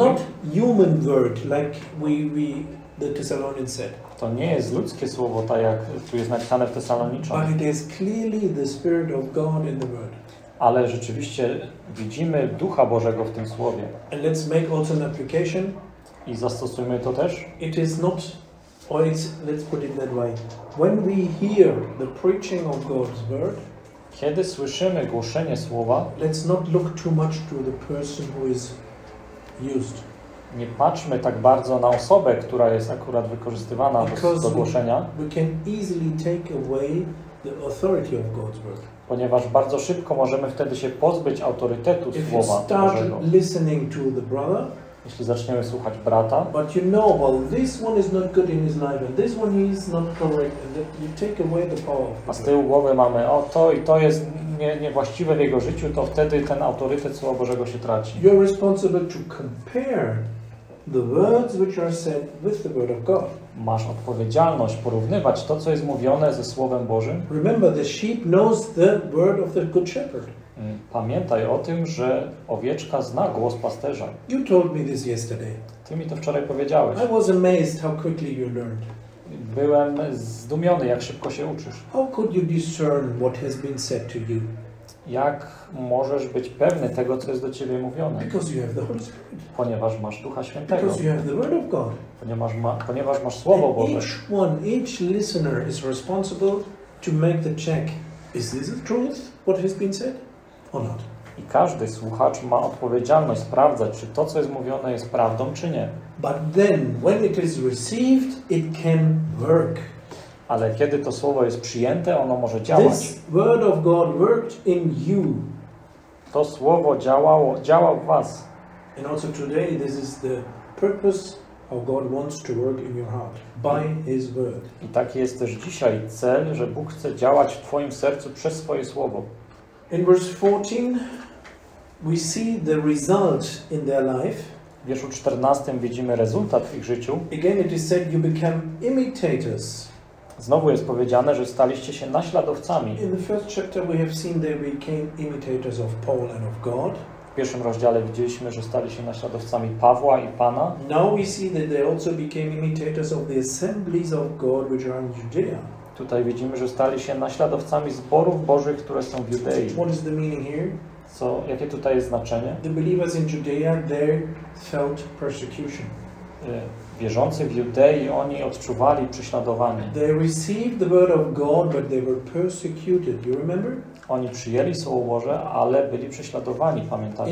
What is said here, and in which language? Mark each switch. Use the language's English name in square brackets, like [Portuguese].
[English] It's not human word, like we the Thessalonians said. [Polish] To nie jest ludzkie słowo, tak jak tu jest napisane w Tesaloniczan. [English] But it is clearly the Spirit of God in the word. [Polish] Ale rzeczywiście widzimy Ducha Bożego w tym słowie. [English] And let's make also an application. [Polish] I zastosujmy to też. [English] It is not, or it's, let's put it that way. When we hear the preaching of God's word, [Polish] kiedy słyszymy głoszenie słowa, [English] let's not look too much to the person who is used. [Polish] Nie patrzmy tak bardzo na osobę, która jest akurat wykorzystywana do głoszenia. [English] We can easily take away the authority of God's word. [Polish] Ponieważ bardzo szybko możemy wtedy się pozbyć autorytetu Słowa Bożego. [English] If you start listening to the brother, [Polish] jeśli zaczniemy słuchać brata, [English] but you know, well, this one is not good in his life, and this one is not correct, and you take away the power of God. [Polish] A z tyłu głowy mamy, o to i to jest niewłaściwe w jego życiu, to wtedy ten autorytet Słowa Bożego się traci. [English] You're responsible to compare the words which are said with the word of God. [Polish] Masz odpowiedzialność porównywać to, co jest mówione ze Słowem Bożym. [English] Remember, the sheep knows the word of the good shepherd. [Polish] Pamiętaj o tym, że owieczka zna głos pasterza. [English] You told me this yesterday. [Polish] Ty mi to wczoraj powiedziałeś. [English] I was amazed how quickly you learned. [Polish] Byłem zdumiony, jak szybko się uczysz. [English] How could you discern what has been said to you? [Polish] Jak możesz być pewny tego, co jest do ciebie mówione? [English] Because you have the Holy Spirit. [Polish] Ponieważ masz Ducha Świętego. [English] Because you have the Word of God. [Polish] Ponieważ masz Słowo [English] and [Polish] Boże. [English] Each one, each listener is responsible to make the check. Is this the truth, what has been said, or not? [Polish] I każdy słuchacz ma odpowiedzialność sprawdzać, czy to, co jest mówione, jest prawdą, czy nie. [English] But then, when it is received, it can work. [Polish] Ale kiedy to słowo jest przyjęte, ono może działać. [English] This word of God worked in you. [Polish] To słowo działało w was. [English] And also today, this is the purpose how God wants to work in your heart by His word. [Polish] I taki jest też dzisiaj cel, że Bóg chce działać w twoim sercu przez swoje słowo. [English] In verse 14, we see the result in their life. [Polish] W wierszu 14 widzimy rezultat w ich życiu. [English] Again, it is said you become imitators. [Polish] Znowu jest powiedziane, że staliście się naśladowcami. [English] In the first chapter, we have seen they became imitators of Paul and of God. [Polish] W pierwszym rozdziale widzieliśmy, że stali się naśladowcami Pawła i Pana. [English] Now we see that they also became imitators of the assemblies of God which are in Judea. [Polish] Tutaj widzimy, że stali się naśladowcami zborów Bożych, które są w Judei. [English] What is the meaning here? [Polish] Co, jakie tutaj jest znaczenie? [English] The believers in Judea there felt persecution. [Polish] Wierzący w Judei, oni odczuwali prześladowanie. [English] They received the word of God, but they were persecuted. You remember? [Polish] Oni przyjęli Słowo Boże, ale byli prześladowani, pamiętacie?